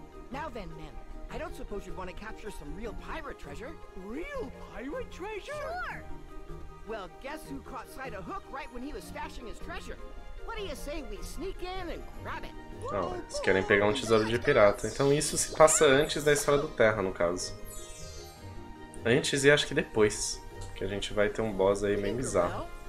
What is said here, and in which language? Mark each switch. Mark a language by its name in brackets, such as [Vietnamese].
[Portuguese] Agora, Ventus, eu não acho que você quer capturar algum tesouro real. Real tesouro? Claro! [English] Well, guess who caught sight of Hook right when he was stashing his treasure? What do you say we sneak in and grab it? [Portuguese] Oh, eles querem pegar um tesouro de pirata. Então isso se passa antes da história do Terra, no caso. Antes e acho que depois. Que a gente vai ter um boss aí meio bizarro.